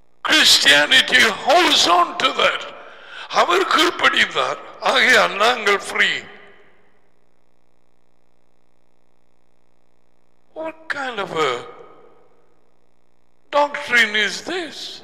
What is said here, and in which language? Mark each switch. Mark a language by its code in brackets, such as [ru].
[en] Christianity holds on to that. [ta] அவர் கீழ்ப்படினார், ஆகையால் நாங்கள் free. [en] What kind of a doctrine is this?